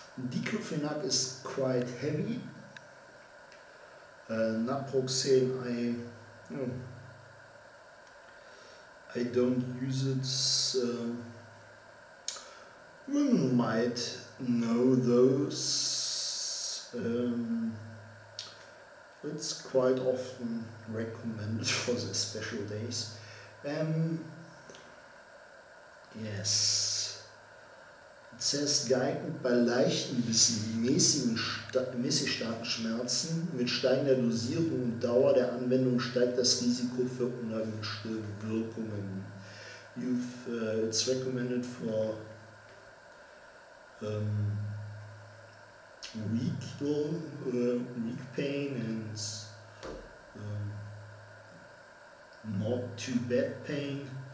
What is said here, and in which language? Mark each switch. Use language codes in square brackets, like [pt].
[en] Diclofenac is quite heavy. Naproxen, I don't use it. You might know those. It's quite often recommended for the special days. Yes. It says [de] geeignet bei leichten bis mäßig starken Schmerzen. Mit steigender Dosierung und Dauer der Anwendung steigt das Risiko für unerwünschte Wirkungen. [en] It's recommended for weak pain and not too bad pain.